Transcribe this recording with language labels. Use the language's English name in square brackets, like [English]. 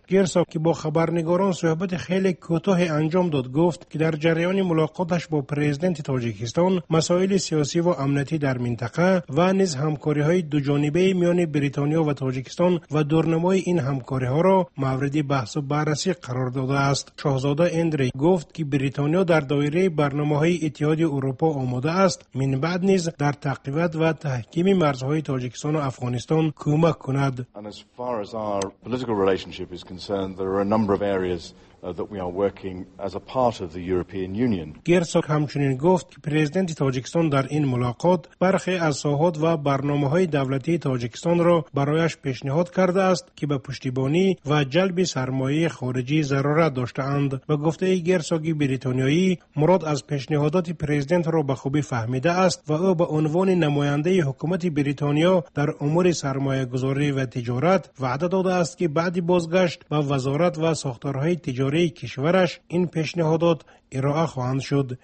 [Persian] گرسا که با خبرنگاران صحبت خیلی کوتاه انجام داد گفت که در جریان ملاقاتش با پرزیدنت تاجیکستان مسائل سیاسی و امنیتی در منطقه و نیز همکاری های دو جانبه میان بریتانیا و تاجیکستان و دورنمای این همکاری ها را مورد بحث و بررسی قرار داده است. شاهزاده اندری گفت که بریتانیا در دایره برنامه‌های اتحاد اروپا آماده است، من بعد نیز در تقویت و تحکیم مرزهای تاجیکستان و افغانستان کمک کند. [English] And as far as our political relationship is concerned, there are a number of areas that we are working as a part of the European Union. [Persian] گرسوک همچنین گفت که پرزیدنت تاجیکستان در این ملاقات برخی از ساحات و برنامه‌های دولتی تاجیکستان را برایش پیشنهاد کرده است که به پشتیبانی و جلب سرمایه خارجی ضرورت داشته‌اند. و گفته ای گرسوک بریتانیایی مراد از پیشنهادات پرزیدنت را به خوبی فهمیده است و او به عنوان نماینده حکومت بریتانیا در امور سرمایه‌گذاری و تجارت وعده داده است که بعد بازگشت به وزارت و ساختارهای جاری کشورش این پیشنهادات ارائه خواهند شد.